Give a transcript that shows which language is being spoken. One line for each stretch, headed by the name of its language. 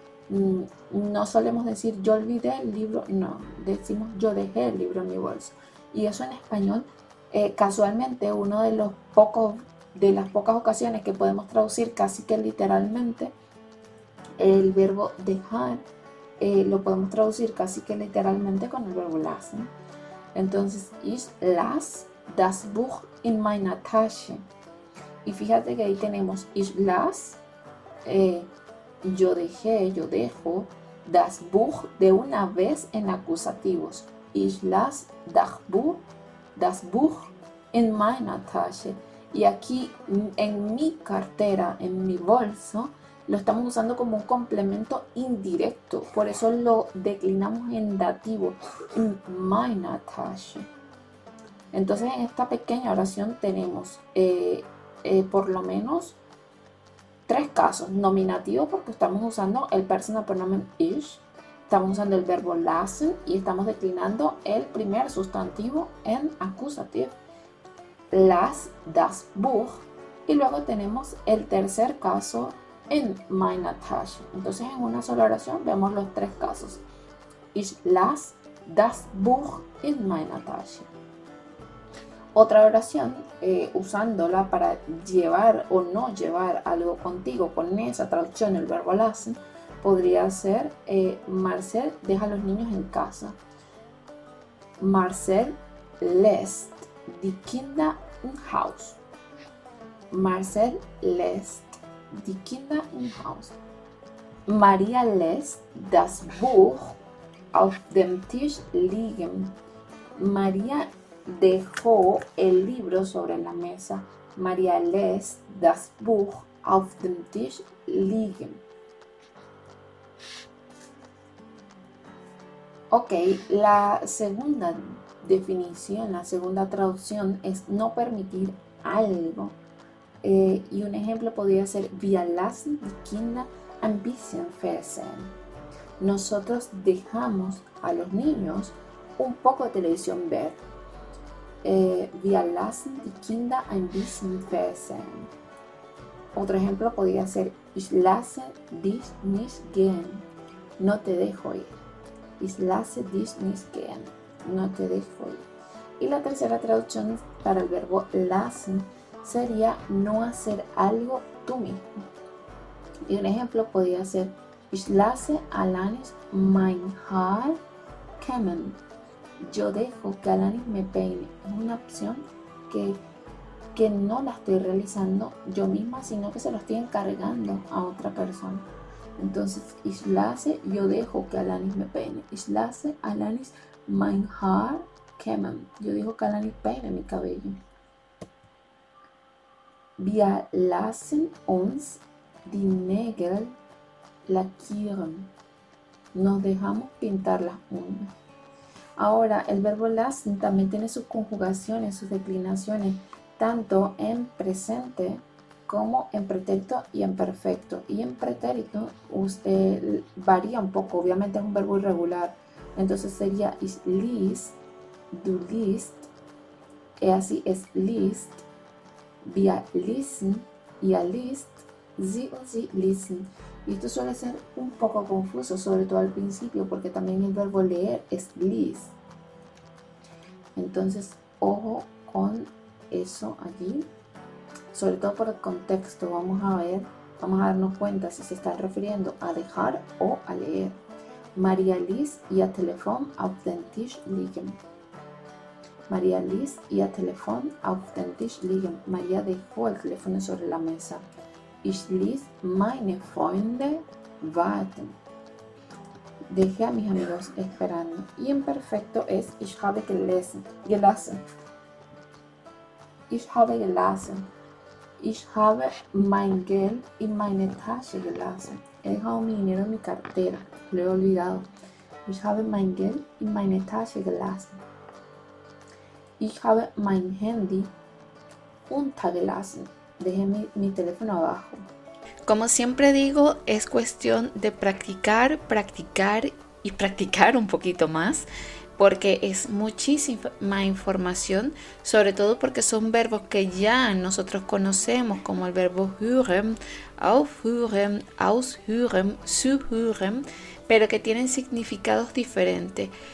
Spanish: No solemos decir, yo olvidé el libro, no, decimos, yo dejé el libro en mi bolso. Y eso en español, casualmente, uno de los pocos, de las pocas ocasiones que podemos traducir casi que literalmente, el verbo dejar. Lo podemos traducir casi que literalmente con el verbo lassen.
German: Entonces, ich lasse das Buch in meiner Tasche.
Spanish: Y fíjate que ahí tenemos
German: ich lasse,
Spanish: yo dejé, yo dejo,
German: das Buch
Spanish: de una vez en acusativos.
German: Ich lasse das Buch in meiner Tasche.
Spanish: Y aquí en mi cartera, en mi bolso, lo estamos usando como un complemento indirecto, por eso lo declinamos en dativo,
German: in meiner Tasche.
Spanish: Entonces, en esta pequeña oración tenemos por lo menos tres casos: nominativo, porque estamos usando el personal pronombre ich, estamos usando el verbo lassen y estamos declinando el primer sustantivo en acusativo, las,
German: das Buch,
Spanish: y luego tenemos el tercer caso.
German: In meiner Tasche.
Spanish: Entonces, en una sola oración vemos los tres casos.
German: Ich lasse das Buch in meiner Tasche.
Spanish: Otra oración, usándola para llevar o no llevar algo contigo, con esa traducción el verbo lassen, podría ser Marcel deja a los niños en casa.
German: Marcel lässt die Kinder im Haus. Marcel lässt die Kinder im Haus. Maria lässt das Buch auf dem Tisch liegen.
Spanish: Maria dejó el libro sobre la mesa.
German: Maria lässt das Buch Auf dem Tisch liegen.
Spanish: Ok, la segunda definición, la segunda traducción es no permitir algo. Y un ejemplo podría ser
German: Wir lassen die Kinder ein bisschen fernsehen.
Spanish: Nosotros dejamos a los niños un poco de televisión ver.
German: Wir lassen die Kinder ein bisschen fernsehen.
Spanish: Otro ejemplo podría ser
German: Ich lasse dich nicht gehen.
Spanish: No te dejo ir.
German: Ich lasse dich nicht gehen.
Spanish: No te dejo ir. Y la tercera traducción para el verbo lassen sería no hacer algo tú mismo. Y un ejemplo podría ser
German: Ich lasse Alanis mein Haar kämmen.
Spanish: Yo dejo que Alanis me peine. Es una opción que no la estoy realizando yo misma, sino que se lo estoy encargando a otra persona. Entonces,
German: Ich lasse,
Spanish: yo dejo que Alanis me peine.
German: Ich lasse Alanis mein Haar kämmen.
Spanish: Yo dejo que Alanis peine mi cabello.
German: Wir lassen uns die Nägel lackieren.
Spanish: Nos dejamos pintar las uñas. Ahora, el verbo lassen también tiene sus conjugaciones, sus declinaciones, tanto en presente como en pretérito y en perfecto. Y en pretérito varía un poco, obviamente es un verbo irregular. Entonces sería
German: ich ließ, du ließt,
Spanish: y así es
German: ließt, wir ließen, ihr ließt, sie und sie ließen.
Spanish: Y esto suele ser un poco confuso, sobre todo al principio, porque también el verbo leer es ließ. Entonces, ojo con eso allí, sobre todo por el contexto, vamos a darnos cuenta si se está refiriendo a dejar o a leer.
German: María Liz y a teléfono auf den Tisch liegen.
Spanish: María Liz y a teléfono auf den Tisch liegen. María dejó el teléfono sobre la mesa.
German: Ich ließ meine Freunde warten.
Spanish: Dejé a mis amigos esperando. Y en perfecto es
German: ich habe gelassen. Ich habe gelassen. Ich habe mein Geld in meine Tasche gelassen.
Spanish: He dejado mi dinero en mi cartera. Lo he olvidado.
German: Ich habe mein Geld in meine Tasche gelassen. Ich habe mein Handy untergelassen.
Spanish: Dejé mi teléfono abajo. Como siempre digo, es cuestión de practicar, practicar y practicar un poquito más. Porque es muchísima información, sobre todo porque son verbos que ya nosotros conocemos, como el verbo hören, aufhören, aushören, zuhören, pero que tienen significados diferentes.